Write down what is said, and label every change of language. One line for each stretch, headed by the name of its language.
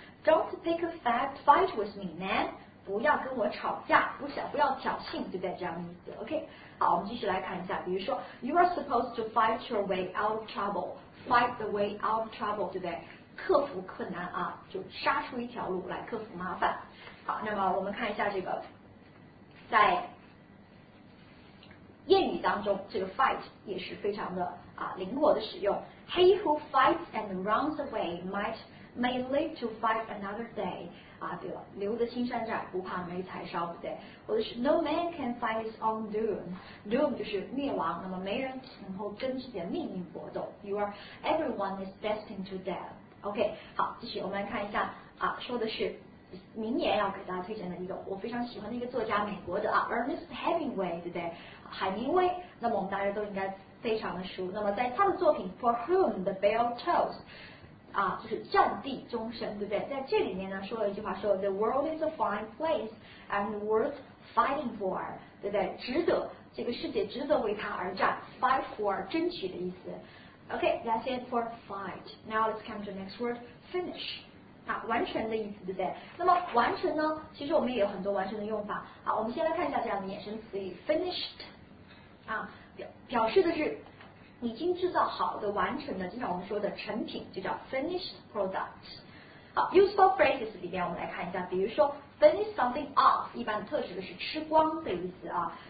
English: Don't pick a fight with me, man.
Chinese: 不要跟我吵架，不想不要挑衅，对不对？这样的意思。OK, 好，我们继续来看一下，比如说
English: ，You are supposed to fight your way out of trouble. Fight the way out of trouble,
Chinese: 对不对？克服困难啊，就杀出一条路来克服麻烦。好，那么我们看一下这个，在谚语当中，这个 fight 也是非常的啊灵活的使用。
English: He who fights and runs away may live to fight another day.
Chinese: 啊，对了，留得青山在，不怕没柴烧，对不对？
English: 或者是 No man can fight his own doom.
Chinese: Doom 就是灭亡，那么没人能够跟自己的命运搏斗。
English: Everyone is destined to death.
Chinese: OK, 好，继续我们来看一下啊，说的是明年要给大家推荐的一个我非常喜欢的一个作家，美国的啊 ，Ernest Hemingway, 对不对？海明威，那么我们大家都应该非常的熟。那么在他的作品《For Whom the Bell Tolls》啊，就是战地钟声，对不对？在这里面呢，说了一句话，说
English: "The world is a fine place and worth fighting for," 对不对？
Chinese: 值得，这个世界值得为他而战 ，fight for 争取的意思。
English: Okay, that's it for fight. Now let's come to the next word, finish.
Chinese: 啊，完成的意思，对不对？那么完成呢？其实我们也有很多完成的用法。好，我们先来看一下这样的衍生词语 finished. 啊，表示的是已经制造好的、完成的，就像我们说的成品，就叫 finished product. 好 ，useful phrases 里面我们来看一下，比如说
English: finish something off，
Chinese: 一般特指的是吃光的意思啊。